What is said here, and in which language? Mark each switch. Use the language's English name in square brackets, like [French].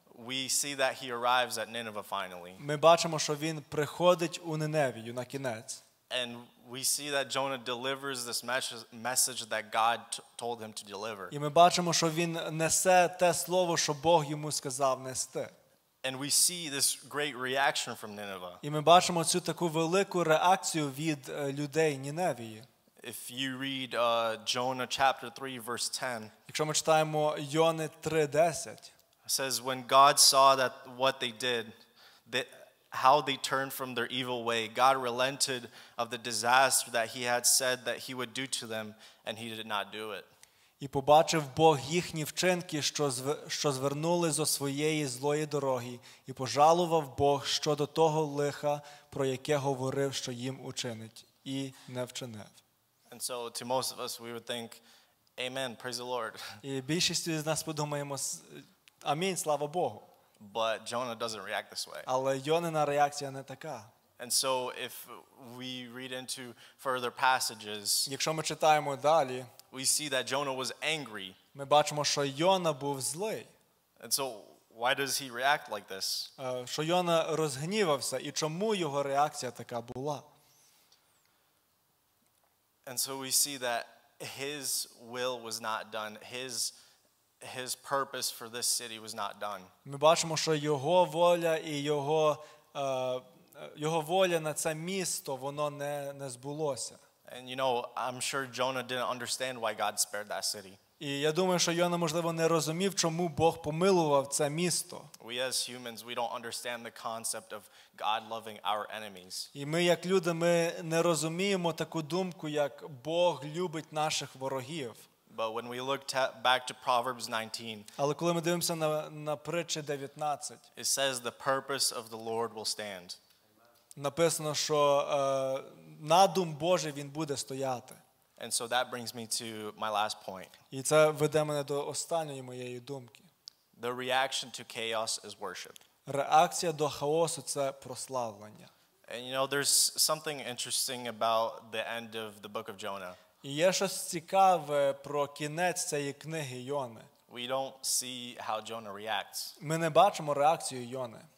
[English] we see that he arrives at Nineveh finally. [Ukrainian] Ми бачимо, що він приходить у Ниневію на кінець. [English] And we see that Jonah delivers this message that God told him to deliver. [Ukrainian] І ми бачимо, що він несе те слово, що Бог йому сказав нести. [English] And we see this great reaction from Nineveh. [Ukrainian] І ми бачимо цю таку велику реакцію від людей Ніневії. [English] If you read Jonah chapter 3 verse 10. [Ukrainian] Якщо ми читаємо Йони 3:10, [English] it says, "When God saw that what they did, that how they turned from their evil way, God relented of the disaster that he had said that he would do to them, and he did not do it." [Ukrainian] І побачив Бог їхні вчинки, що звернули зо своєї злої дороги, і пожалував Бог щодо того лиха, про яке говорив, що їм учинить, і не вчинив. [English] And so to most of us we would think, "Amen, praise the Lord." [Ukrainian] І більшість з нас подумаємо: "Амін, слава Богу." [English] But Jonah doesn't react this way. [Ukrainian] Але Йонина реакція не така. [English] And so if we read into further passages, [Ukrainian] якщо ми читаємо далі, [English] we see that Jonah was angry. [Ukrainian] Ми бачимо, що Йона був злий. [English] And so why does he react like this? [Ukrainian] Що Йона розгнівався і чому його реакція така була? [English] And so we see that his will was not done. His purpose for this city was not done. [Ukrainian] Ми бачимо, що його воля і його воля на це місто, воно не збулося. [English] And you know, I'm sure Jonah didn't understand why God spared that city. [Ukrainian] І я думаю, що Йона, можливо, не розумів, чому Бог помилував це місто. [English] We as humans, we don't understand the concept of God loving our enemies. [Ukrainian] І ми як люди, ми не розуміємо таку думку, як Бог любить наших ворогів. [English] But when we look back to Proverbs 19, [Ukrainian] але коли ми дивимося на притчі 19, [English] it says the purpose of the Lord will stand. [Ukrainian] Написано, що надум Божий він буде стояти. [English] And so that brings me to my last point. [Ukrainian] І це веде мене до останньої моєї думки. [English] The reaction to chaos is worship. [Ukrainian] Реакція до хаосу це прославлення. [English] And you know, there's something interesting about the end of the book of Jonah. [Ukrainian] І є щось цікаве про кінець цієї книги Йони. [English] We don't see how Jonah reacts. [Ukrainian] Ми не бачимо реакцію Йони.